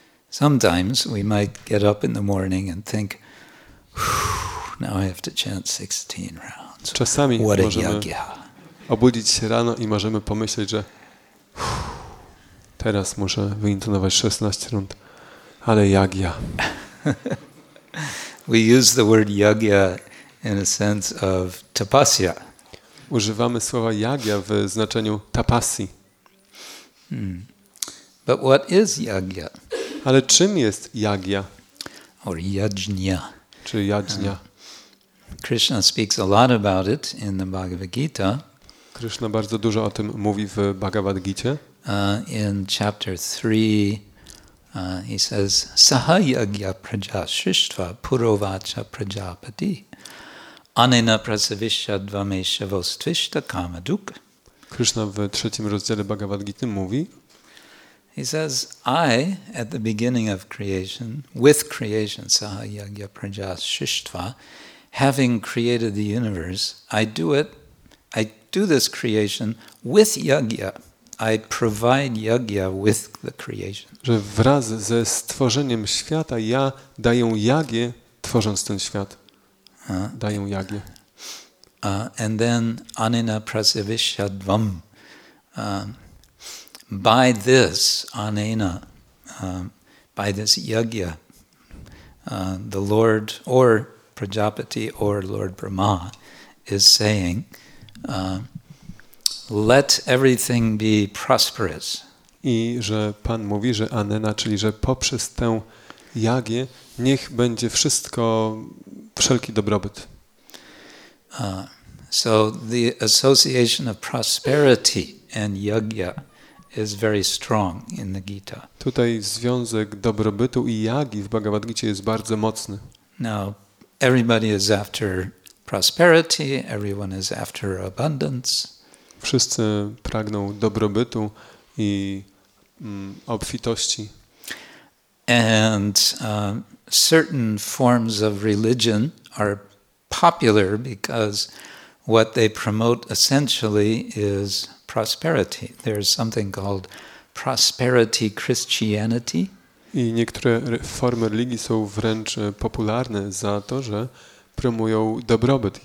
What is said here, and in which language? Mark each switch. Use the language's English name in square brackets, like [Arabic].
[English] Sometimes we might get up in the morning and think, now I have to chant 16 rounds. [Polish] Czasami [English] what [Polish] możemy [English] a yagya. [Polish] Obudzić się rano i możemy pomyśleć, że teraz muszę wyintonować 16 rund, ale yagya. [English] We use the word yagya in a sense of tapasya. [Polish] Używamy słowa yagya w znaczeniu tapasy. [English] But what is yagya? [Polish] Ale czym jest yagya? [English] Or yajnya. [Polish] Czy yajnya? [English] Krishna speaks a lot about it in the Bhagavad Gita. [Polish] Krishna bardzo dużo o tym mówi w Bhagavad Gita. [English] In chapter 3 he says [Sanskrit] saha yagya praja shrishtva purovacha prajapati anena prasavishya dvamesha vostvishta kamaduk. [Polish] Krishna w trzecim rozdziale Bhagavad Gita mówi, [English] he says, I, at the beginning of creation, with creation, [Sanskrit] saha yagya praja shrishtva, [English] having created the universe, I do this creation with yagya. I provide yagya with the creation. [Polish] Że wraz ze stworzeniem świata ja daję jagię, tworząc ten świat. Daję jagię. [English] And then [Sanskrit] anena prasivishadvam. [English] By this anena, by this yagya, the Lord or Prajapati or Lord Brahma is saying, let everything be prosperous. [Polish] I że Pan mówi, że anena, czyli że poprzez tę jagię niech będzie wszystko, wszelki dobrobyt. [English] So the association of prosperity and yagya is very strong in the Gita. [Polish] Tutaj związek dobrobytu i jagi w Bhagavad Gita jest bardzo mocny. [English] Now everybody is after prosperity, everyone is after abundance. [Polish] Wszyscy pragną dobrobytu i obfitości. [English] And certain forms of religion are popular because what they promote essentially is prosperity. There is something called prosperity Christianity. [Polish] I niektóre formy religii są wręcz popularne za to, że promują dobrobyt.